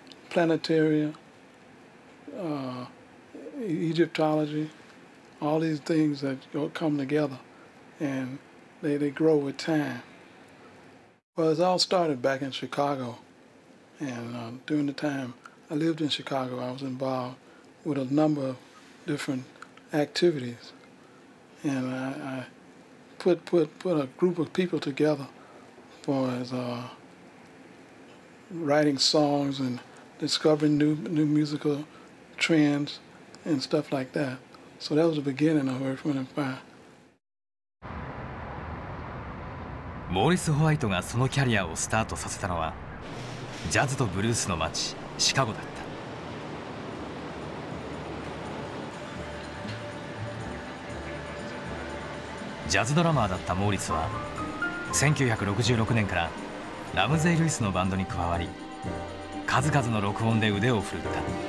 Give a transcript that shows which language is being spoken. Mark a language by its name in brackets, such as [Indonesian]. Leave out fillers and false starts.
[Japanese] プラネタリア、エジプトロジー、そういうものが合わせられて、それが増えていく時間。 [English] Well, it all started back in Chicago, and during the time I lived in Chicago, I was involved with a number of different activities, and I put a group of people together for writing songs and discovering new musical trends and stuff like that. So that was the beginning of Earth, Wind & Fire. [Japanese] モーリス・ホワイトがそのキャリアをスタートさせたのはジャズとブルースの街シカゴだった。ジャズドラマーだったモーリスは1966年からラムゼイ・ルイスのバンドに加わり、数々の録音で腕を振るった。